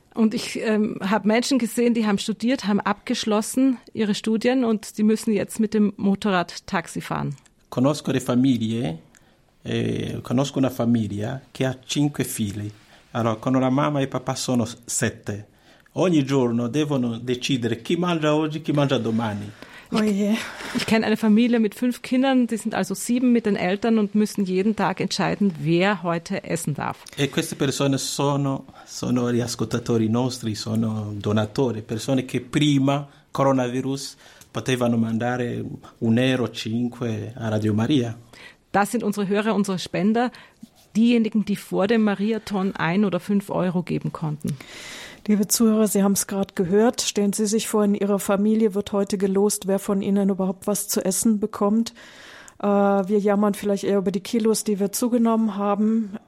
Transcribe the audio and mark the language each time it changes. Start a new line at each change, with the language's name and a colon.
German: Und ich habe Menschen gesehen, die haben studiert, haben abgeschlossen ihre Studien und die müssen jetzt mit dem Motorrad Taxi fahren.
Italian: Conosco le famiglie. Conosco una famiglia che ha 5 figli. Allora, con la mamma e il papà sono 7. Ogni giorno devono decidere chi mangia oggi, chi mangia domani.
German: Ich kenne eine Familie mit 5 Kindern, die sind also 7 mit den Eltern und müssen jeden Tag entscheiden, wer heute essen darf.
Italian: E queste persone sono gli ascoltatori nostri, sono donatori, persone che prima coronavirus potevano mandare 1,05 € a Radio Maria.
German: Das sind unsere Hörer, unsere Spender, diejenigen, die vor dem Mariathon 1 oder 5 € geben konnten. Liebe Zuhörer, Sie haben es gerade gehört. Stellen Sie sich vor, in Ihrer Familie wird heute gelost, wer von Ihnen überhaupt was zu essen bekommt. Wir jammern vielleicht eher über die Kilos, die wir zugenommen haben.